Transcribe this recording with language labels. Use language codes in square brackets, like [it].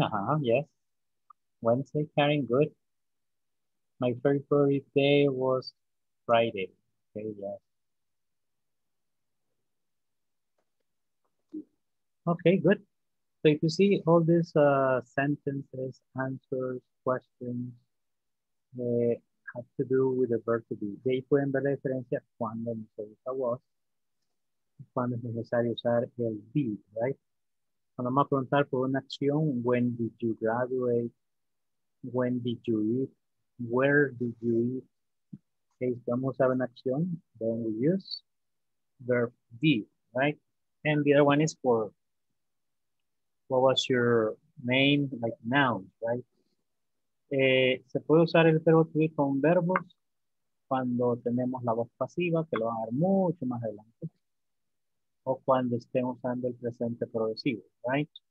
[en] Uh-huh, yes. Wednesday, Karen, good. My favorite day was Friday. Okay, yes. Okay, good. So if you see all these sentences, answers, questions, have to do with the verb to be. [es] De ahí pueden ver la diferencia cuando no se usa was, cuando es necesario usar el be, right? Cuando vamos a preguntar por una acción, [en] when did you graduate? When did you eat? Where did you eat? Okay, [es] si vamos a una acción, [en] then we use verb be, right? And the other one is for what was your name, like nouns, right? [es] Se puede usar el verbo to be con verbos cuando tenemos la voz pasiva, que lo va a dar mucho más adelante, o cuando estén usando el presente progresivo, right?